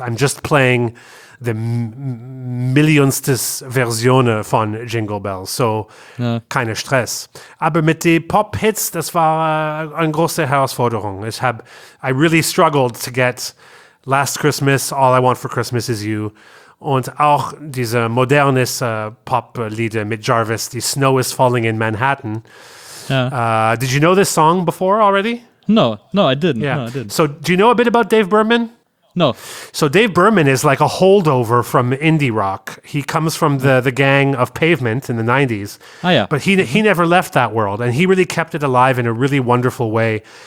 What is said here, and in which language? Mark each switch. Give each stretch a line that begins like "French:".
English: I'm just playing the
German: millionstes Version von
English: Jingle Bells.
German: So, keine Stress. Aber mit den Pop-Hits, das war eine große Herausforderung.
English: I really struggled to get Last Christmas, All I Want for Christmas is You.
German: Und auch diese modernes Pop-Lieder mit Jarvis, The Snow is Falling in Manhattan.
English: Did you know this song before already? No, I didn't. Yeah. No, I didn't. So, do you know a bit about Dave Berman? No. So Dave Berman is like a holdover from indie rock. He comes from the gang of Pavement in the 90s. But he never left that world, and he really kept it alive in a really wonderful way.